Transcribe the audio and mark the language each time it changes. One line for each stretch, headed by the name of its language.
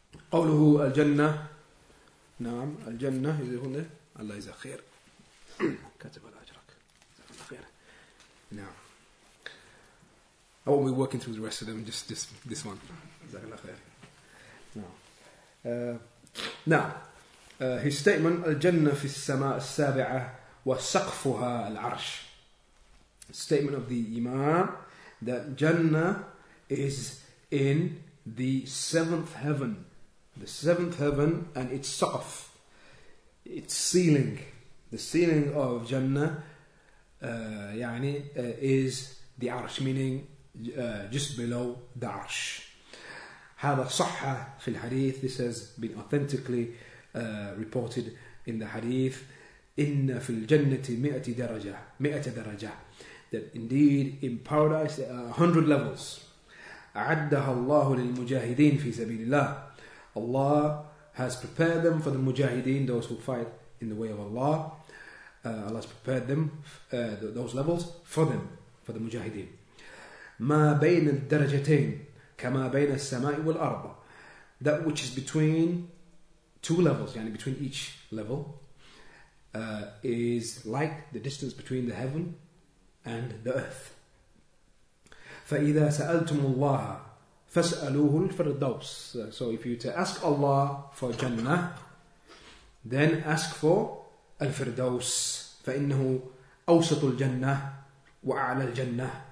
Arabic: قوله الجنة, نعم الجنة, يقول الله يجزاك خير, كاتب على أجرك, جزاك الله خير.
English: نعم, I won't be working through the rest of them, just this one.
Arabic: جزاك الله خير.
English: Now, his statement,
Arabic: الجنة في السماء السابعة وسقفها العرش.
English: Statement of the Imam that Jannah is in the seventh heaven. The seventh heaven and its saqf, its ceiling. The ceiling of Jannah is the arsh, meaning just below the arsh.
Arabic: هذا صحة في الحديث.
English: This has been authentically reported in the hadith.
Arabic: إن في الجنة مئة درجة, مئة درجة.
English: That indeed in paradise there are 100 levels.
Arabic: أعدها الله للمجاهدين في سبيل الله.
English: Allah has prepared them for the mujahideen, those who fight in the way of Allah. Allah has prepared them, those levels, for them, for the mujahideen.
Arabic: ما بين الدرجتين كما بين السماء والأرض.
English: That which is between two levels,
Arabic: يعني
English: between each level, is like the distance between the heaven and the earth.
Arabic: فإذا سألتم الله فاسألوه الفردوس.
English: So if you to ask Allah for Jannah, then ask for الفردوس.
Arabic: فإنه أوسط الجنة وأعلى الجنة.